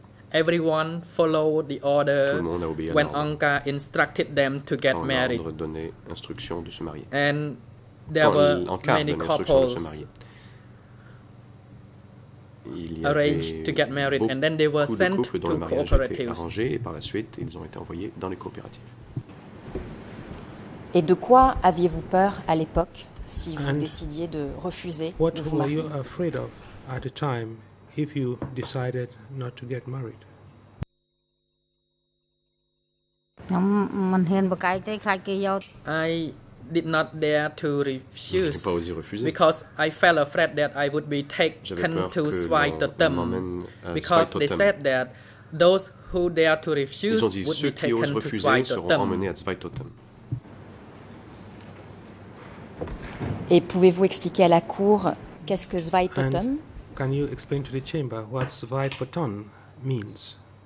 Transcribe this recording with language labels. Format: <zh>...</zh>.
<en>Everyone followed the order when Anka instructed them to get married.</en> <fr>Quand l'ordre donnait instruction de se marier.</fr> <en>And there were many couples arranged to get married, and then they were sent to cooperatives.</en> <fr>Arrangés, et par la suite, ils ont été envoyés dans les coopératives. Et de quoi aviez-vous peur à l'époque si vous décidiez de refuser de vous marier?</fr> <en>What were you afraid of at the time if you decided not to get married? I did not dare to refuse.</en> <fr>J'ai pas osé refuser.</fr> <en>Because I felt afraid that I would be taken to Swai Totem. Because they said that those who dare to refuse would be taken to Swai Totem.</en> <fr>Ils ont dit ceux qui osent refuser seront emmenés à Swai Totem. Et pouvez-vous expliquer à la cour qu'est-ce que Swai Totem?</fr> <en>Can you explain to the chamber what Swai Totem means?</en>